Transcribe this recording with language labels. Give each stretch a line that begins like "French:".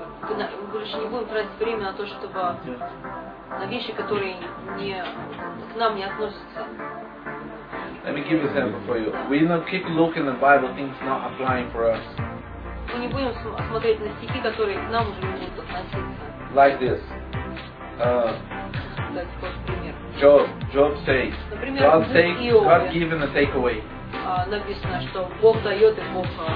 Russian: Мы больше не будем тратить время на то, чтобы на вещи, которые не к нам не относятся.
English: Let me give an example for you. We not keep looking at Bible things not applying for us.
Russian: Мы не будем смотреть на стихи, которые к нам уже не будут относиться.
English: Like this. Job says.
Russian: Например,
English: God takes, God give and take away.
Russian: Написано, что Бог дает и Бог.